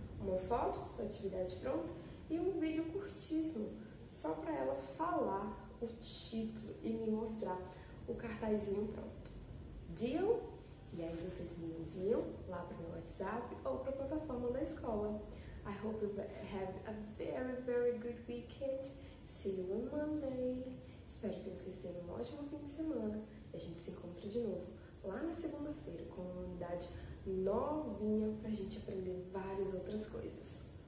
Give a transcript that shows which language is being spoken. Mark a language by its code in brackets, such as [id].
[pt] Uma foto, atividade pronta, e um vídeo curtíssimo só para ela falar o título e me mostrar o cartazinho pronto. [en] Deal? [pt] E aí vocês me enviam lá para o meu WhatsApp ou para a plataforma da escola. [en] I hope you have a very, very good weekend. See you on Monday. [pt] Espero que vocês tenham um ótimo fim de semana. E a gente se encontra de novo lá na segunda-feira com uma unidade novinha para a gente aprender várias outras coisas.